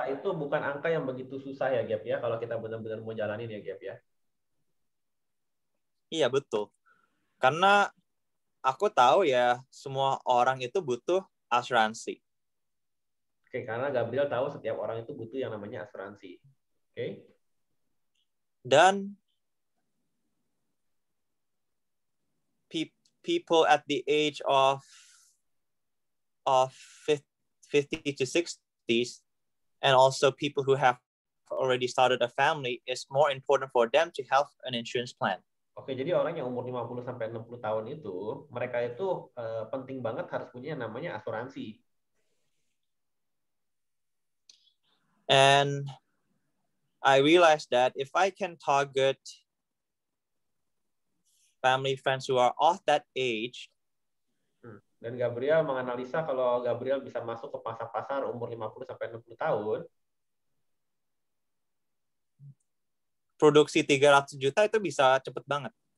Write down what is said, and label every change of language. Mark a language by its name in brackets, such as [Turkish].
[Indonesian] itu bukan angka yang begitu susah ya Gap ya kalau kita benar-benar mau jalanin ya Gap ya iya betul karena aku tahu ya semua orang itu butuh asuransi oke karena Gabriel tahu setiap orang itu butuh yang namanya asuransi oke dan [English] people at the age of 50 to 60s and also people who have already started a family is more important for them to have an insurance plan. [Indonesian] Oke, jadi orang yang umur 50 sampai 60 tahun itu, mereka itu penting banget harus punya yang namanya asuransi. [English] And I realized that if I can target family friends who are of that age. [Indonesian] Dan Gabriel menganalisa kalau Gabriel bisa masuk ke pasar-pasar umur 50 sampai 60 tahun. Produksi 300 juta itu bisa cepat banget.